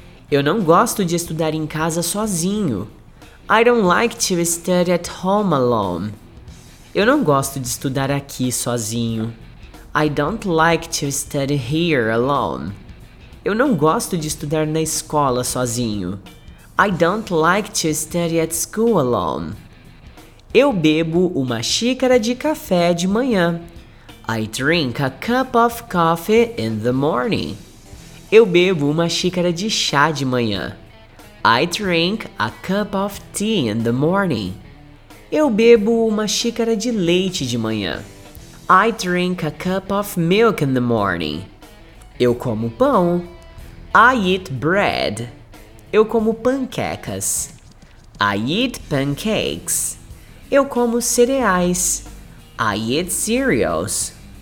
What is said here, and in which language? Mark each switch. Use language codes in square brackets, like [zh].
[pt] Eu não gosto de estudar em casa sozinho. [en] I don't like to study at home alone. [pt] Eu não gosto de estudar aqui sozinho. [en] I don't like to study here alone. [pt] Eu não gosto de estudar na escola sozinho. [en] I don't like to study at school alone. [pt] Eu bebo uma xícara de café de manhã. [en] I drink a cup of coffee in the morning. [pt] Eu bebo uma xícara de chá de manhã. [en] I drink a cup of tea in the morning. [pt] Eu bebo uma xícara de leite de manhã. [en] I drink a cup of milk in the morning. [pt] Eu como pão. [en] I eat bread. [pt] Eu como panquecas. [en] I eat pancakes. [pt] Eu como cereais. [en] I eat cereals.